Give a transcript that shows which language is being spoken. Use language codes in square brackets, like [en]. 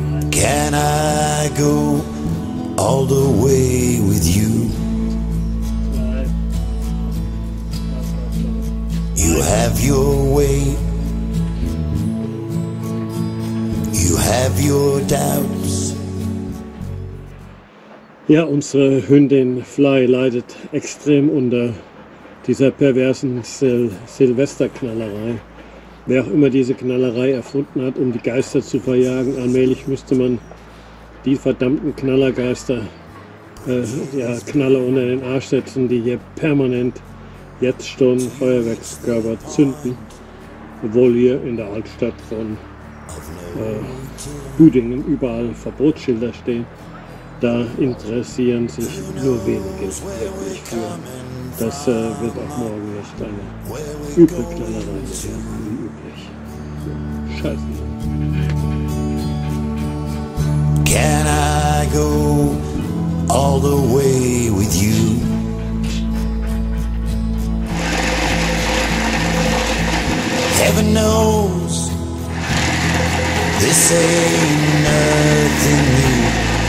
[en] Can I go all the way with you? You have your way, you have your doubts. [de] Ja, unsere Hündin Fly leidet extrem unter dieser perversen Silvesterknallerei. Wer auch immer diese Knallerei erfunden hat, um die Geister zu verjagen, allmählich müsste man die verdammten Knallergeister, Knaller unter den Arsch setzen, die hier permanent jetzt schon Feuerwerkskörper zünden, obwohl hier in der Altstadt von Büdingen überall Verbotsschilder stehen. Da interessieren sich nur wenige wirklich für. Das wird auch morgen erst eine übrig kleinere Reise werden, wie üblich. Scheiße. [en] Can I go all the way with you? Heaven knows this ain't nothing new.